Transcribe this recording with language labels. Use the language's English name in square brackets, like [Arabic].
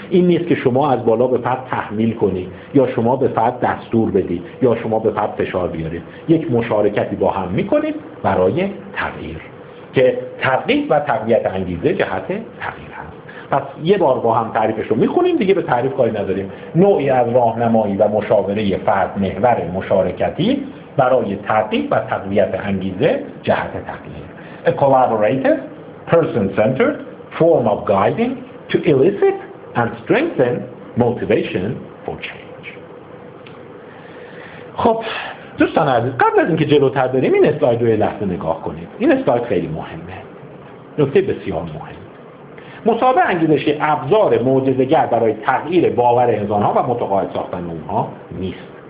[Persian] این نیست که شما از بالا به فرد تحمیل کنی یا شما به فرد دستور بدی یا شما به فرد فشار بیاری، یک مشارکتی با هم میکنید برای تغییر، که تغییر و تقویت انگیزه جهت تغییر. پس یه بار با هم تعریفش رو میخونیم دیگه به تعریف کاری نداریم. نوعی از راهنمایی و مشاوره فرد محور مشارکتی برای ترغیب و تقویت انگیزه جهت تغییر. [English] A collaborative, person-centered form of guiding to elicit and strengthen motivation for change. [Persian] خب دوستان عزیز، قبل از اینکه جلوتر بریم این اسلاید رو یه لحظه نگاه کنید. این اسلاید خیلی مهمه. نکته بسیار مهم. مصاحبه انگیزشی ابزار معجزه‌گر برای تغییر باور انسان‌ها و متقاعد ساختن اونها نیست.